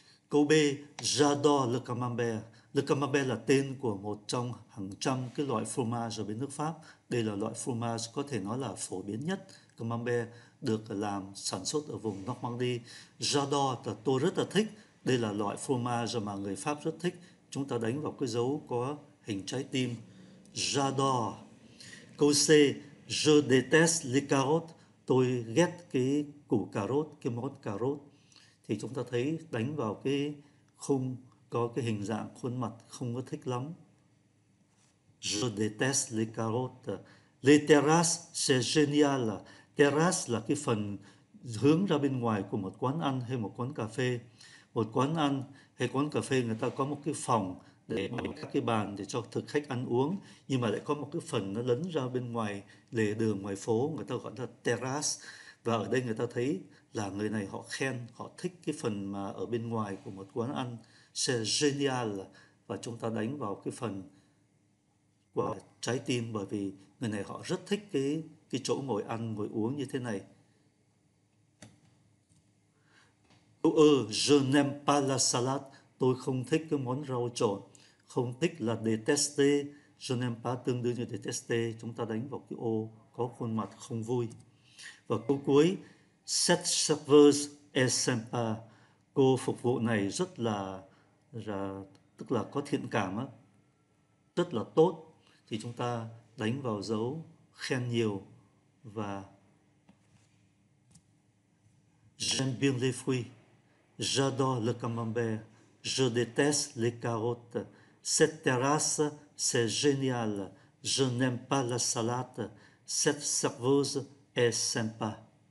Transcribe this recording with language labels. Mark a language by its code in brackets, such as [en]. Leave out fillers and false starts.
[vi] Câu B [fr] j'adore le camembert. [vi] Le camembert là tên của một trong hàng trăm cái loại fromage ở bên nước Pháp. Đây là loại fromage có thể nói là phổ biến nhất. Camembert được làm sản xuất ở vùng Normandy. [fr] J'adore [vi] là tôi rất là thích. Đây là loại fromage mà người Pháp rất thích. Chúng ta đánh vào cái dấu có hình trái tim. [fr] J'adore. [vi] Câu C, [fr] je déteste les carottes. [vi] Tôi ghét cái củ cà rốt, cái món cà rốt. Thì chúng ta thấy đánh vào cái khung có cái hình dạng khuôn mặt không có thích lắm. [fr] Je déteste les carottes. Les terrasses, c'est génial. [vi] Terrace là cái phần hướng ra bên ngoài của một quán ăn hay một quán cà phê. Một quán ăn hay quán cà phê người ta có một cái phòng để bày các cái bàn để cho thực khách ăn uống. Nhưng mà lại có một cái phần nó lấn ra bên ngoài lề đường, ngoài phố. Người ta gọi là terrace. Và ở đây người ta thấy là người này họ khen, họ thích cái phần mà ở bên ngoài của một quán ăn. [fr] C'est génial. [vi] Và chúng ta đánh vào cái phần của trái tim bởi vì người này họ rất thích cái chỗ ngồi ăn, ngồi uống như thế này. Câu E, [fr] je n'aime pas la salade. [vi] Tôi không thích cái món rau trộn. Không thích là déteste. [fr] Je n'aime pas [vi] tương đương như [fr] déteste. [vi] Chúng ta đánh vào cái ô có khuôn mặt không vui. Và câu cuối, [fr] cette serveuse est sympa. [vi] Cô phục vụ này rất là tức là có thiện cảm á. Rất là tốt. Thì chúng ta đánh vào dấu khen nhiều. [fr] Và j'aime bien les fruits, j'adore le camembert, je déteste les carottes, cette terrasse c'est génial, je n'aime pas la salade, cette serveuse est sympa.